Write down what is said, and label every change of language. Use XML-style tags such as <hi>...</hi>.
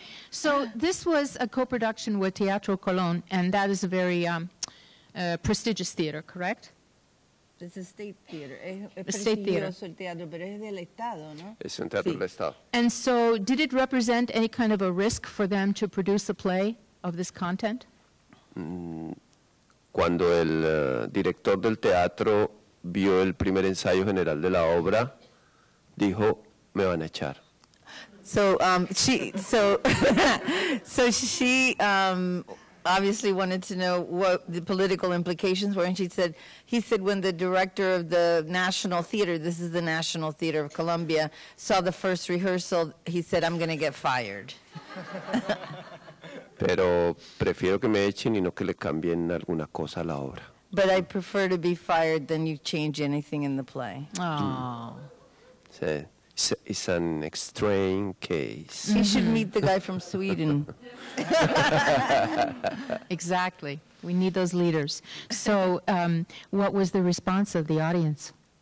<en>So this was a co-production with Teatro Colón, and that is a very prestigious theater, correct? It's a state theater.</en> <es>Es state theater. El teatro, pero es del Estado, ¿no? Es un teatro del Estado.</es> <en>And so did it represent any kind of a risk for them to produce a play of this content?</en> <es>Cuando el director del teatro vio el primer ensayo general de la obra, dijo, me van a echar.</es> <en>So she obviously wanted to know what the political implications were, and he said when the director of the National Theater, this is the National Theater of Colombia, saw the first rehearsal, he said, I'm going to get fired.</en> <es>Pero prefiero que me echen y no que le cambien alguna cosa a la obra.</es> <en>But I prefer to be fired than you change anything in the play. Oh. Sí. It's an extreme case. You should meet the guy from Sweden. Exactly. We need those leaders. So what was the response of the audience?</en>